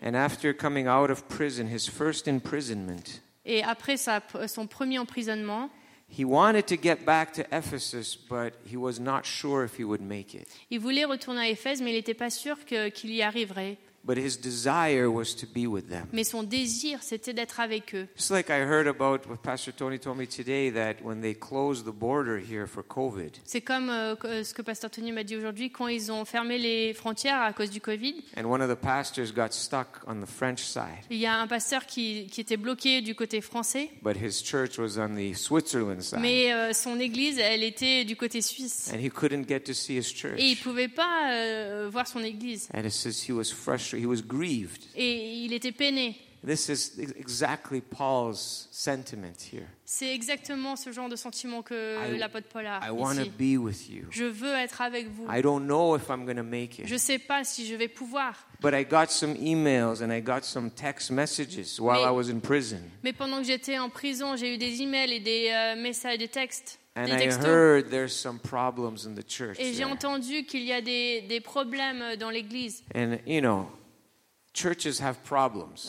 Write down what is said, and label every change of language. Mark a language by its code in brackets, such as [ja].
[en] And after coming out of prison, his first imprisonment. [fr] Et après sa son premier emprisonnement, [en] he wanted to get back to Ephesus, but he was not sure if he would make it. [fr] Il voulait retourner à Éphèse, mais il n'était pas sûr qu'il y arriverait. [en] But his desire was to be with them. [fr] Mais son désir, c'était d'être avec eux. [en] It's like I heard about what Pastor Tony told me today, that when they closed the border here for COVID. [fr] C'est comme ce que Pastor Tony m'a dit aujourd'hui, quand ils ont fermé les frontières à cause du COVID. [en] And one of the pastors got stuck on the French side. [fr] Il y a un pasteur qui était bloqué du côté français. [en] But his church was on the Switzerland side. [fr] Mais son église, elle était du côté suisse. [en] And he couldn't get to see his church. [fr] Et il pouvait pas voir son église. [en] And it says he was frustrated. He was grieved. [fr] Et il était peiné. [en] This is exactly Paul's sentiment here. [fr] C'est exactement ce genre de sentiment que l'apôtre Paul a ici. [en] I want to be with you. [fr] Je veux être avec vous. [en] I don't know if I'm going to make it. [fr] Je sais pas si je vais pouvoir. [en] But I got some emails and I got some text messages while I was in prison. [fr] Mais pendant que j'étais en prison, j'ai eu des emails et des messages de texte. [en] And I heard there's some problems in the church. [fr] Et j'ai entendu qu'il y a des problèmes dans l'église. [en] And you know, churches have problems.